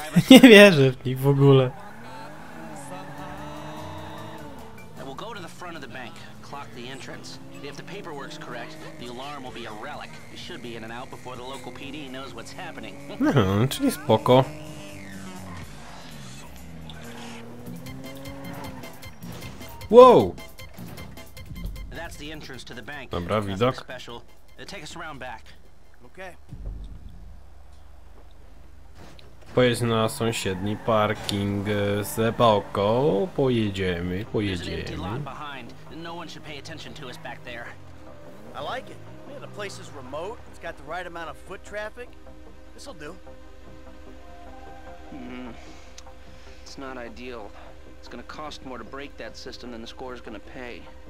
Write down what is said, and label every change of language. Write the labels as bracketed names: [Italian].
[Polish] Nie wierzę w nich w ogóle. [English] We'll go to the front of the bank. Clock the entrance. If the paperwork's correct, the alarm will be a relic. It should be in and out before the local PD knows what's happening. [Polish] No, czyli spoko. Wow. [English] That's the entrance to the bank. [Polish] Dobra, widok. [English] Take us around back. Okay. [Polish] Pojedź na sąsiedni parking z epoką. Pojedziemy, pojedziemy. [English] No one should pay attention to us back there. I like it. Yeah, the place is remote. It's got the right amount of foot traffic. This'll do. It's not ideal. It's gonna cost more to break that system than the score is gonna pay.